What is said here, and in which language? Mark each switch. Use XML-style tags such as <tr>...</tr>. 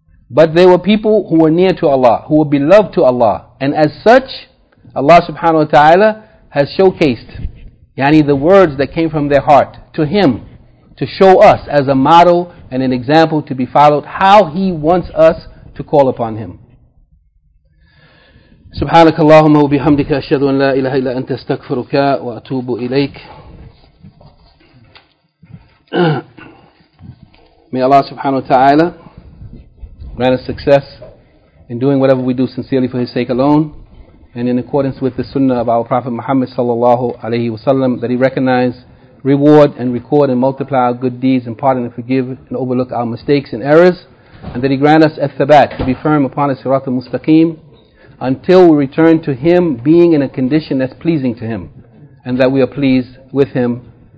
<en>But they were people who were near to Allah, who were beloved to Allah. And as such, Allah subhanahu wa ta'ala has showcased, the words that came from their heart to Him, to show us as a model and an example to be followed, how He wants us to call upon Him.</en> <ar>سبحانك اللهم وبحمدك أشهد أن لا إله إلا أنت استغفرك وأتوب إليك.</ar> <en>May Allah subhanahu wa ta'ala grant us success in doing whatever we do sincerely for His sake alone and in accordance with the sunnah of our Prophet Muhammad sallallahu alayhi wa sallam, that He recognize, reward and record and multiply our good deeds and pardon and forgive and overlook our mistakes and errors, and that He grant us al-thabat, to be firm upon a sirat al-mustaqim until we return to Him being in a condition that's pleasing to Him and that we are pleased with Him.</en>